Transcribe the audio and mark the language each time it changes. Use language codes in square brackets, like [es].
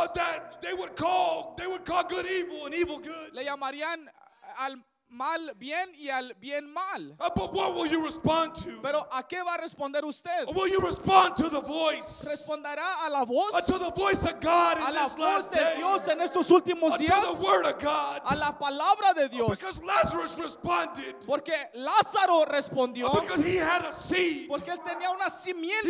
[en] That they would call good evil and evil good. [es] Le llamarían al mal bien y al bien mal. [en] But what will you respond to? [es] Pero ¿a qué va a responder usted? [en] Will you respond to the voice? [es] ¿Responderá a la voz? [en] To the voice of God in this last day. [es] A la voz de Dios en estos últimos días. [en] To the word of God. [es] A la palabra de Dios. [en] Because Lazarus responded. [es] Porque Lázaro respondió. [en] Because he had a seed. [es] Porque él tenía una simiente.